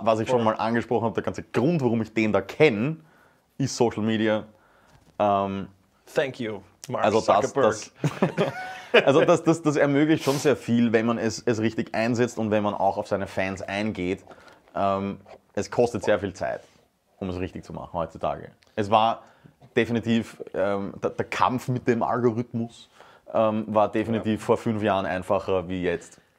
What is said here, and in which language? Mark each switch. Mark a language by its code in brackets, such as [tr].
[de] was ich schon mal angesprochen habe, der ganze Grund, warum ich den da kenne, ist Social Media. [en] Thank you, Mark also Zuckerberg. [de] Das ermöglicht schon sehr viel, wenn man es richtig einsetzt und wenn man auch auf seine Fans eingeht. Es kostet sehr viel Zeit, um es richtig zu machen heutzutage. Es war... Definitiv, der Kampf mit dem Algorithmus war definitiv vor 5 Jahren einfacher wie jetzt.